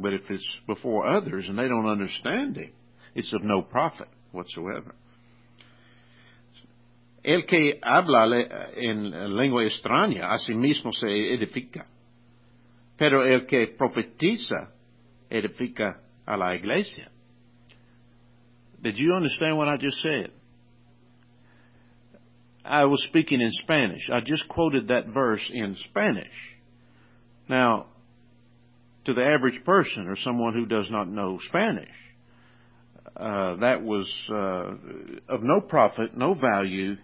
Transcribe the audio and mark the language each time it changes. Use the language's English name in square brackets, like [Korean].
[English] But if it's before others and they don't understand him, it's of no profit whatsoever. [Spanish] El que habla en lengua extraña a sí mismo se edifica. Pero el que profetiza edifica a la iglesia. [English] Did you understand what I just said? I was speaking in Spanish. I just quoted that verse in Spanish. Now, to the average person or someone who does not know Spanish, that was of no profit, no value.